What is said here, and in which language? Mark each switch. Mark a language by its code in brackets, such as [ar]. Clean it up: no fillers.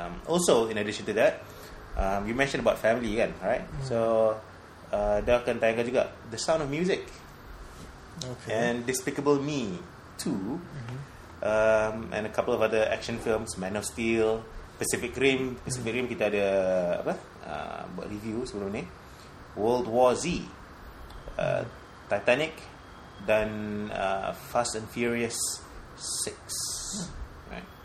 [en] Also in addition to that, you mentioned about family kan, right? [ms] So dia akan tayangkan juga The Sound of Music, [en] okay, and Despicable Me 2, and a couple of other action films, Man of Steel, Pacific Rim. [ms] Pacific Rim kita ada apa, buat review sebelum ni. [en] World War Z, Titanic, dan Fast and Furious 6. Right.